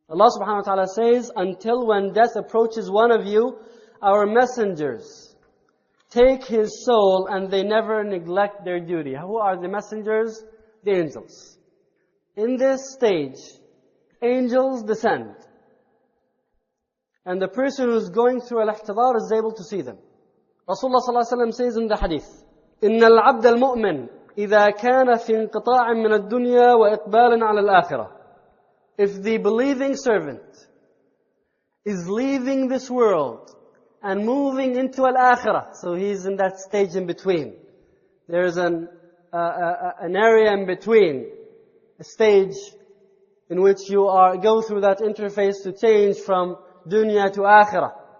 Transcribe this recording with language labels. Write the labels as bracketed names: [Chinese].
[English] Allah subhanahu wa ta'ala says, until when death approaches one of you, our messengers take his soul and they never neglect their duty. Who are the messengers? The angels. In this stage, angels descend. And the person who is going through al-ihtidhar is able to see them. Rasulullah sallallahu alaihi wasallam says in the hadith, [Arabic] إِنَّ الْعَبْدَ الْمُؤْمِنِ إِذَا كَانَ فِي انْقِطَاعٍ مِّنَ الدُّنْيَا وَإِقْبَالٍ عَلَى الْآخِرَةِ. [English] If the believing servant is leaving this world and moving into al-akhirah, so he's in that stage in between. There is an area in between, a stage in which you are go through that interface to change from dunya to akhirah.